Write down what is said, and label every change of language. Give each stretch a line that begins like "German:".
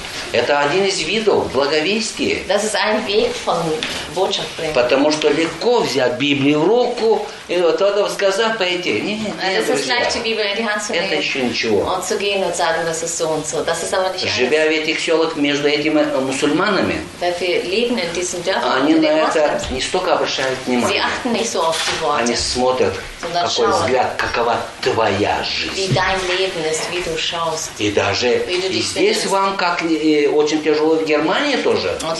Russian: Это один из видов благовестия.
German: Das ist ein Weg von Botschaft bringen.
Russian: Потому что легко взять Библию в руку и вот это сказать, пойти. Не,
German: das ist leicht, die Bibel in die Hand zu nehmen.
Russian: Это еще ничего.
German: Und zu gehen und sagen, das ist so und so. Das ist aber nicht.
Russian: Живя в этих селах между этими мусульманами.
German: Weil wir leben in diesen Dörfern.
Russian: Они на это не столько обращают внимание.
German: Sie achten nicht so auf die Worte.
Russian: Они смотрят, какой
German: schauen.
Russian: Взгляд, какова твоя жизнь.
German: Wie dein Leben ist, wie du schaust.
Russian: И даже и здесь
German: findest.
Russian: Вам как очень тяжело в Германии тоже.